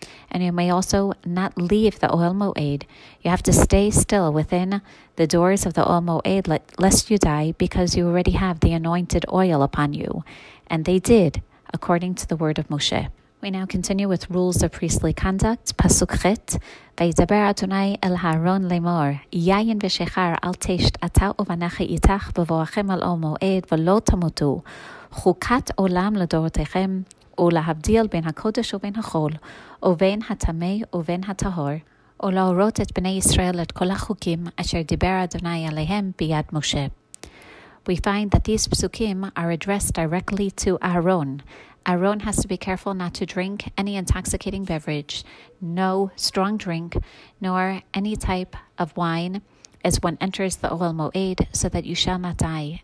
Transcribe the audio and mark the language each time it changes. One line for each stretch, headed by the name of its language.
English: And you may also not leave the Ohel Mo'ed. You have to stay still within the doors of the Ohel Mo'ed, lest you die, because you already have the anointed oil upon you. And they did, according to the word of Moshe. We now continue with rules of priestly conduct.
Hebrew: Pasuk Chet, Vayidaber Adonai el Haron lemor, Yayin v'shechar al tesht ata uvanach itach bevoachem al Ohel Mo'ed v'lo tamutu, chukat olam ledorotechem, ולהבדיל בין הקודש ובין החול, ובין התמי ובין הטהור, ולהורות את בני ישראל את כל החוקים אשר דיבר אדוני עליהם ביד משה.
English: We find that these psukim are addressed directly to Aaron. Aaron has to be careful not to drink any intoxicating beverage, no strong drink, nor any type of wine, as one enters the Ohel Mo'ed, so that you shall not die.